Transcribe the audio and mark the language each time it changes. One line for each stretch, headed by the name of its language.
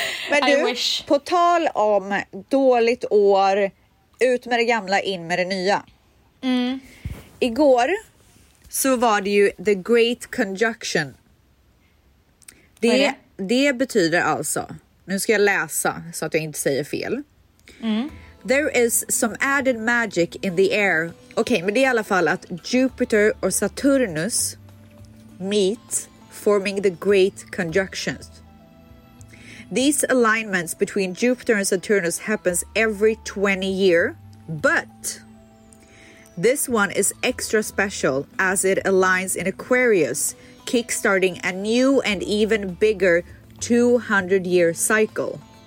Swedish: Men du, på tal om dåligt år, ut med det gamla, in med det nya. Mm. Igår så var det ju The Great Conjunction. Det betyder alltså, nu ska jag läsa så att jag inte säger fel.
English: There is some added magic in the air.
Swedish: Okej, men det är i alla fall att Jupiter och Saturnus
English: meet, forming the Great Conjunction. These alignments between Jupiter and Saturnus happens every 20 year, but this one is extra special as it aligns in Aquarius, kickstarting a new and even bigger 200-year cycle.